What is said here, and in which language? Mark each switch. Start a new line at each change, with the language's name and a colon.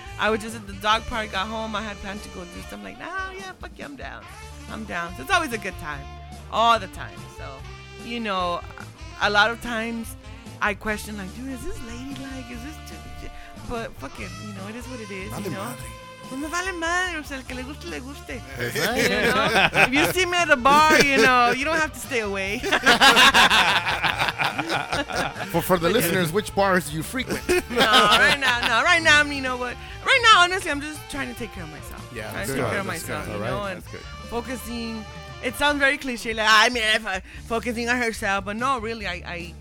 English: I was just at the dog park, got home. I had planned to go do something. Like, fuck you, I'm down. So it's always a good time. All the time. So, you know, a lot of times I question, like, dude, is this ladylike? Is this too... But fuck it, you know, it is what it is, you know?
Spanish: No me vale madre. O sea, el que le guste,
English: exactly. You know? If you see me at the bar, you know, you don't have to stay away. for the listeners, which bars do you frequent? No, right now, you know what? Right now, honestly, I'm just trying to take care of myself. Yeah, trying to take care of myself, you know? Focusing... It sounds very cliche, like, I mean, focusing on herself, but no, really, I...